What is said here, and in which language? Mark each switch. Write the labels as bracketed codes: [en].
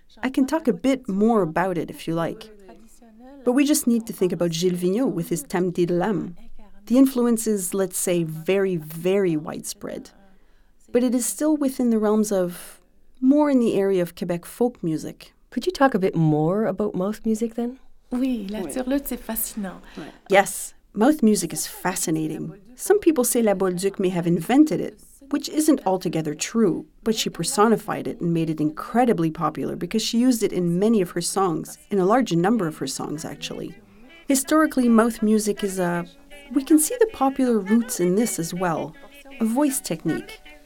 [en] I can talk a bit more about it if you like. But we just need to think about Gilles Vigneault with his Tam Di Lam. The influence is, let's say, very, very widespread. But it is still within the realms of more in the area of Quebec folk music. Could you talk a bit more about mouth music then? [fr] Oui, la turlute, c'est fascinant. [en] Yes, mouth music is fascinating. Some people say La Bolduc may have invented it, which isn't altogether true, but she personified it and made it incredibly popular because she used it in many of her songs, in a large number of her songs, actually. Historically, mouth music is a... We can see the popular roots in this as well, a voice technique.